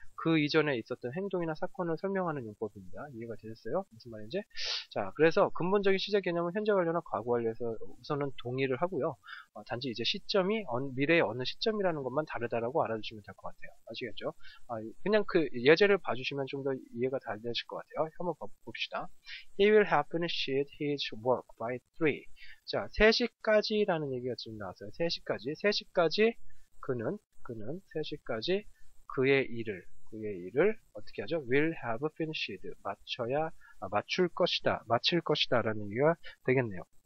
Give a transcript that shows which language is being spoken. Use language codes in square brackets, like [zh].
[ko] 그 이전에 있었던 행동이나 사건을 설명하는 용법입니다. 이해가 되셨어요? 무슨 말인지? 자, 그래서 근본적인 시제 개념은 현재 완료나 과거 완료에서 우선은 동의를 하고요. 단지 이제 시점이 미래의 어느 시점이라는 것만 다르다라고 알아주시면 될 것 같아요. 아시겠죠? 그냥 그 예제를 봐주시면 좀 더 이해가 잘 되실 것 같아요. 한번 봅시다. [en] He will have finished his work by 3. [ko] 자, 3시까지라는 얘기가 지금 나왔어요. 3시까지 그는 3시까지 그의 일을 어떻게 하죠? [en] will have finished [ko] 맞출 것이다 라는 얘기가 되겠네요.